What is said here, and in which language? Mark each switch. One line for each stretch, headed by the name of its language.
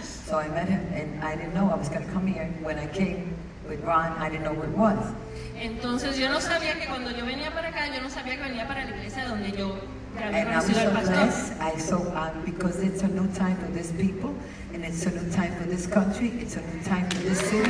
English: So I met him and I didn't know I was going to come here. When I came with Ron, I didn't know where it was.
Spanish: Entonces yo no sabía que cuando yo venía para acá, yo no sabía que venía para la iglesia donde yo había conocido al pastor.
English: And I was so blessed. Because it's a new time for these people, and it's a new time for this country, it's a new time for this city.